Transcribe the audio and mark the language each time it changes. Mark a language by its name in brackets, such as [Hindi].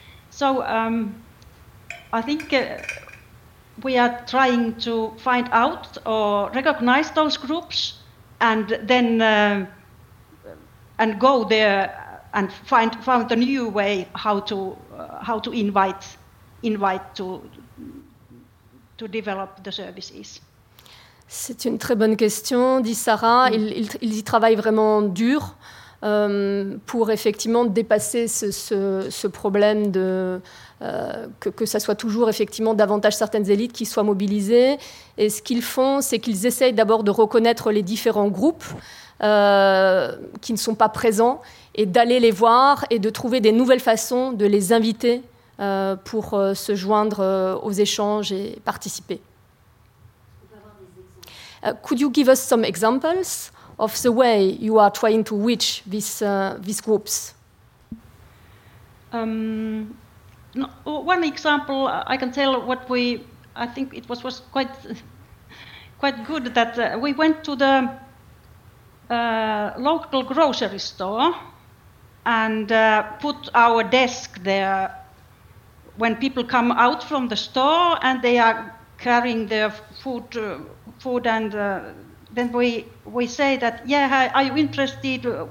[English] So I think. We are trying to find out or recognize those groups, and then and go there and find a new way how to invite to develop the services. [French] C'est une très bonne question, dit Sarah. Ils y travaillent vraiment dur. pour effectivement dépasser ce problème de que ça soit toujours effectivement davantage certaines élites qui soient mobilisées. Et ce qu'ils font, c'est qu'ils essayent d'abord de reconnaître les différents groupes qui ne sont pas présents et d'aller les voir et de trouver des nouvelles façons de les inviter pour se joindre aux échanges et participer. [English] Could you give us some examples of the way you are trying to reach these groups? One example I can tell what we, I think it was quite good that we went to the local grocery store and put our desk there when people come out from the store and they are carrying their food and then we say that, yeah, are you interested?